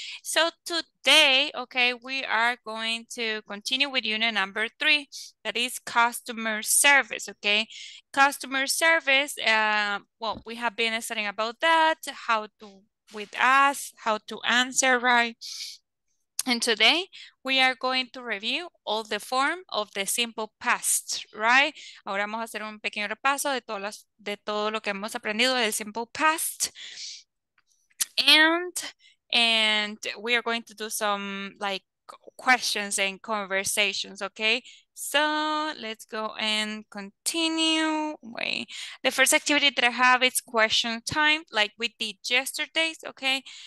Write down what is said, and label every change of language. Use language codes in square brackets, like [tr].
[en] So today, okay, we are going to continue with unit number 3, that is customer service, okay? Customer service, well, we have been studying about that, how to, with us, how to answer, right? And today we are going to review all the form of the simple past, right? [es] Ahora vamos a hacer un pequeño repaso de todas las, de todo lo que hemos aprendido del simple past. [en] And we are going to do some like questions and conversations, okay? So let's go and continue. Wait. The first activity that I have is question time, like we did yesterday, okay?